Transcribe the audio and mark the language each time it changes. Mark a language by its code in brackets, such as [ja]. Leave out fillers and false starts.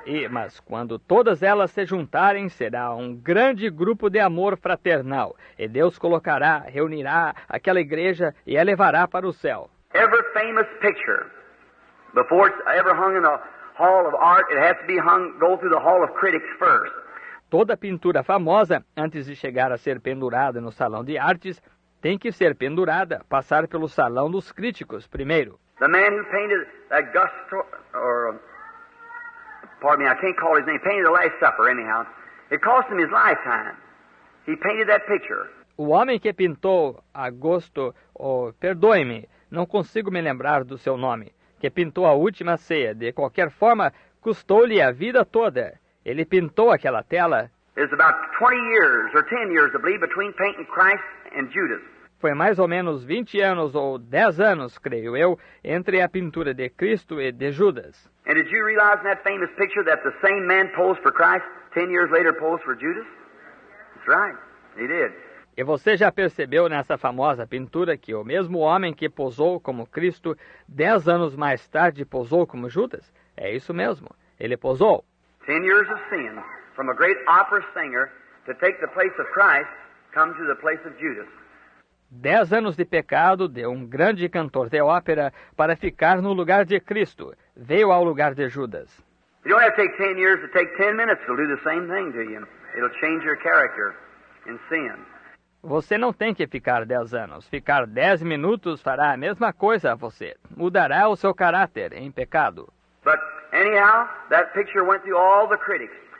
[pt] Mas quando todas elas se juntarem, será um grande grupo de amor fraternal, e Deus colocará, reunirá aquela igreja e a levará para o céu. [en] Every famous picture, before it's ever hung in a hall of art, it has to be hung, go through the hall of critics first. [pt] Toda pintura famosa, antes de chegar a ser pendurada no salão de artes, tem que ser pendurada, passar pelo salão dos críticos primeiro. [en] The man who painted Augusto, or, pardon me, I can't call his name, painted the Last Supper, anyhow. It cost him his lifetime. He painted that picture. [pt] O homem que pintou Augusto, perdoe-me, não consigo me lembrar do seu nome, que pintou a última ceia. De qualquer forma, custou-lhe a vida toda. Ele pintou aquela tela. [en] It's about 20 years or 10 years, I believe, between painting Christ and Judas. [pt] Foi mais ou menos 20 anos ou 10 anos, creio eu, entre a pintura de Cristo e de Judas. [en] And did you realize in that famous picture that the same man posed for Christ 10 years later posed for Judas? That's right. He did. [pt] E você já percebeu nessa famosa pintura que o mesmo homem que posou como Cristo, 10 anos mais tarde posou como Judas? É isso mesmo, ele posou. [en] 10 years of sin from a great opera singer to take the place of Christ come to the place of Judas. [pt] 10 anos de pecado de um grande cantor de ópera para ficar no lugar de Cristo, veio ao lugar de Judas. [en] You don't have to take 10 years, it takes 10 minutes to do the same thing to you. It'll change your character in sin. [pt] Você não tem que ficar 10 anos. Ficar 10 minutos fará a mesma coisa a você. Mudará o seu caráter em pecado. [en] But anyhow, that picture went through all the critics.